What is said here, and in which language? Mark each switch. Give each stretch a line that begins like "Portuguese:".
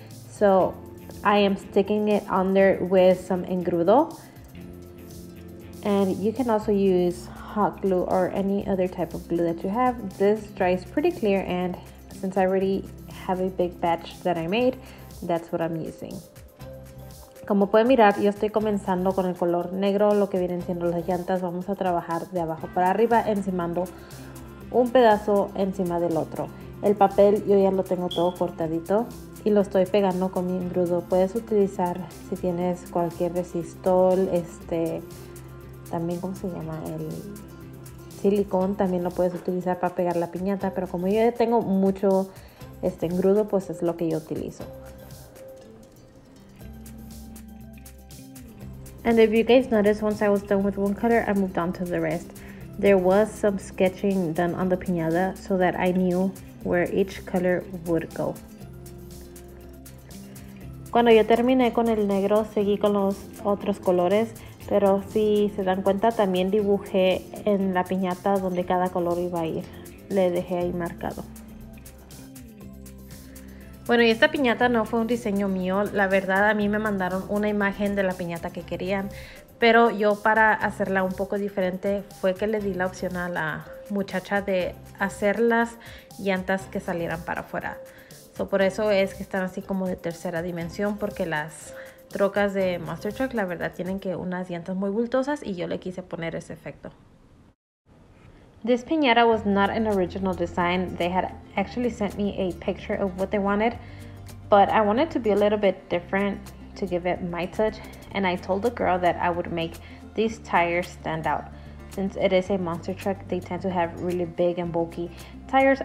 English: So I am sticking it on there with some engrudo, and you can also use hot glue or any other type of glue that you have. This dries pretty clear, and since I already have a big batch that I made, that's what I'm using.
Spanish: Como pueden mirar, yo estoy comenzando con el color negro, lo que vienen siendo las llantas. Vamos a trabajar de abajo para arriba, encimando un pedazo encima del otro. El papel yo ya lo tengo todo cortadito y lo estoy pegando con mi engrudo. Puedes utilizar, si tienes cualquier resistol, también, ¿cómo se llama? El silicón, también lo puedes utilizar para pegar la piñata, pero como yo ya tengo mucho engrudo, pues es lo que yo utilizo.
English: And if you guys noticed, once I was done with one color, I moved on to the rest. There was some sketching done on the piñata so that I knew where each color would go.
Spanish: Cuando yo terminé con el negro, seguí con los otros colores, pero si se dan cuenta, también dibujé en la piñata donde cada color iba a ir. Le dejé ahí marcado. Bueno, y esta piñata no fue un diseño mío. La verdad, a mí me mandaron una imagen de la piñata que querían, pero yo, para hacerla un poco diferente, fue que le di la opción a la muchacha de hacer las llantas que salieran para afuera. So, por eso es que están así como de tercera dimensión, porque las trocas de Monster Truck, la verdad, tienen que unas llantas muy bultosas, y yo le quise poner ese efecto.
English: This piñata was not an original design. They had actually sent me a picture of what they wanted, but I wanted to be a little bit different to give it my touch, and I told the girl that I would make these tires stand out. Since it is a monster truck, they tend to have really big and bulky tires.